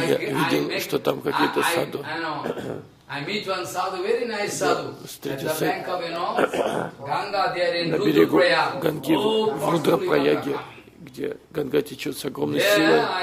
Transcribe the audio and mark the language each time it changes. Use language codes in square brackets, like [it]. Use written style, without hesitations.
[ru] Я видел, что там какие-то саду. [en] I meet one sadhu, very nice sadhu. [ru] Встретился [en] at the bank of, you know, Ganga, there in Rudraprayag. [ru] Ганги, в Рудрапраяге, где Ганга течет с огромной силой.